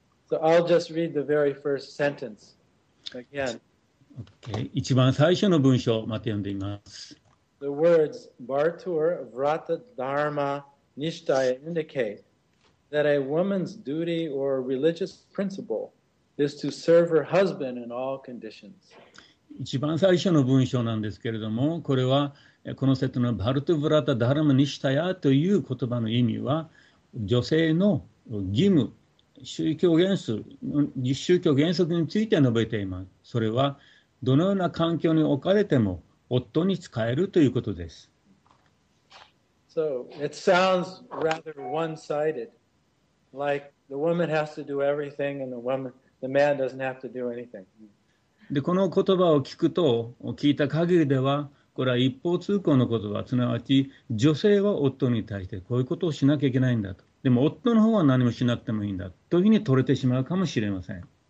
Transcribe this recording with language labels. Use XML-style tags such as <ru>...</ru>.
<en>So I'll just read the very first sentence again. Okay.</en> <ja>一番最初の文章をまた読んでみます。</ja> <en>The words Bhartur Vrata Dharma Nishtaya indicateThat a woman's duty or religious principle is to serve her husband in all conditions.</en> <ja>一番最初の文章なんですけれども、これはこの説のバルトゥブラタダルマニシタヤという言葉の意味は、女性の義務、宗教原則について述べています。それはどのような環境に置かれても夫に仕えるということです。</ja> <en>So it sounds rather one-sided. Like the woman has to do everything, and the man doesn't have to do anything.</en> <ja>で、この言葉を聞くと、聞いた限りでは、これは一方通行の言葉、すなわち女性は夫に対してこういうことをしなきゃいけないんだと。でも夫の方は何もしなくてもいいんだというふうに取れてしまうかもしれません。</ja>